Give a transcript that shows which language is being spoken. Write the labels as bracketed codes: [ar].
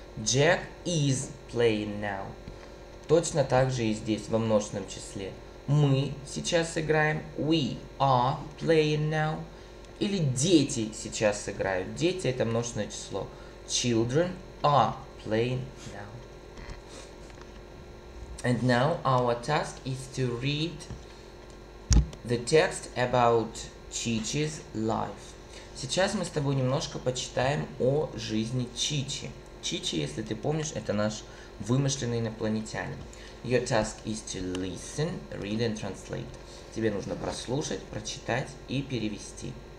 [en] Jack is playing now. [ru] Точно так же и здесь, во множественном числе. Мы сейчас играем. [en] We are playing now. [ru] Или дети сейчас играют. Дети – это множественное число. [en] Children are playing now. And now our task is to read the text about Chichi's life. [ru] Сейчас мы с тобой немножко почитаем о жизни Чичи. Чичи, если ты помнишь, это наш вымышленный инопланетянин. [en] Your task is to listen, read and translate. [ru] Тебе нужно прослушать, прочитать и перевести.